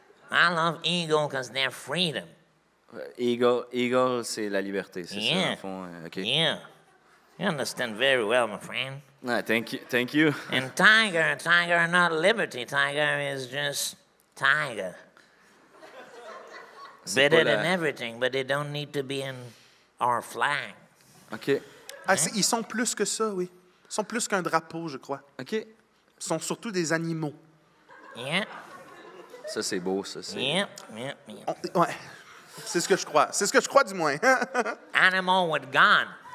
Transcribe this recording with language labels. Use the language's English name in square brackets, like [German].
[English] I love eagle because they're freedom. [French] Eagle, c'est la liberté, c'est ça, en fond. [English] Okay. Yeah. You understand very well, my friend. Ah, thank you. And tiger are not liberty. Tiger is just tiger. Better than everything, but they don't need to be in our flag. OK. Yeah? [French] Ah, ils sont plus que ça, oui. Ils sont plus qu'un drapeau, je crois. [English] OK. [French] Ils sont surtout des animaux. [English] Yeah. [French] Ça, c'est beau, ça. C'est... [English] Yeah. [French] Ouais. C'est ce que je crois. C'est ce que je crois, du moins. [English] Animal with gun.